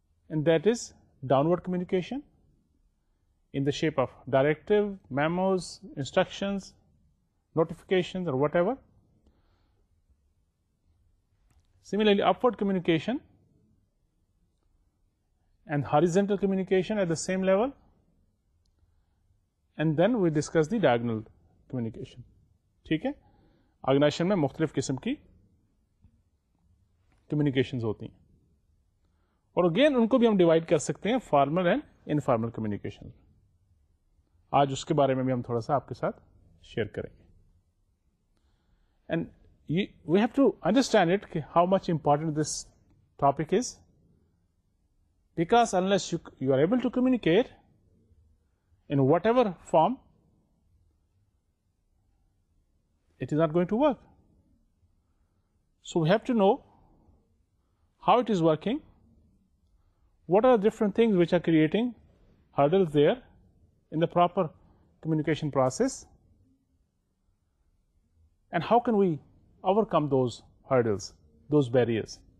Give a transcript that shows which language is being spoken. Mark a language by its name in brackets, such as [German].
[English] And that is downward communication in the shape of directive, memos, instructions, notifications, or whatever. Similarly, upward communication and horizontal communication at the same level. And then we discuss the diagonal communication. [Urdu] ٹھیک ہے، organization میں مختلف قسم کی communications ہوتی ہیں، اور again in کو بھی ہم ڈیوائڈ کر سکتے ہیں فارمل اینڈ انفارمل کمیونیکیشن. آج اس کے بارے میں بھی ہم تھوڑا سا آپ کے ساتھ شیئر کریں گے. [English] And we have to understand it کہ how much important this topic is, because unless you are able to communicate in whatever form, it is not going to work. So we have to know how it is working, what are the different things which are creating hurdles there in the proper communication process, and how can we overcome those hurdles, those barriers.